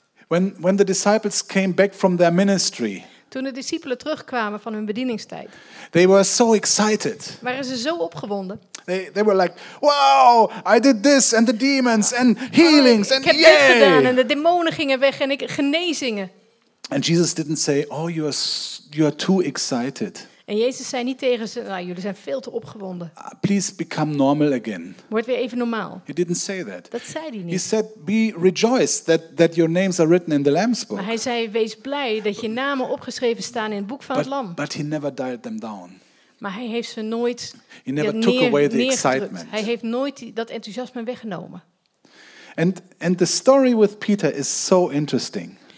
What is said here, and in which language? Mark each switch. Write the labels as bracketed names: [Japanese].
[English] When the disciples came back from their ministry. [Dutch] Toen de discipelen terugkwamen van hun bedieningstijd. [English] They were so excited. [Dutch] Waren ze zo opgewonden. [English] They were like, wow, I did this and the demons and healings and yay. [Dutch] Ik heb dit gedaan en de demonen gingen weg en ik genezingen. [English] And Jesus didn't say, oh, you are too excited. [Dutch] En Jezus zei niet tegen ze, nou, jullie zijn veel te opgewonden. [English] Please become normal again. [Dutch] Word weer even normaal. [English] He didn't say that. [Dutch] Dat zei hij niet. [English] He said, be rejoiced that your names are written in the Lamb's book. [Dutch] Maar hij zei, wees blij dat je namen opgeschreven staan in het boek van het Lam. [English] But he never dialed them down. [Dutch] Maar hij heeft ze nooit [English] He never took away the excitement. [Dutch] Hij heeft nooit dat enthousiasme weggenomen. [English] And the story with Peter is so interesting.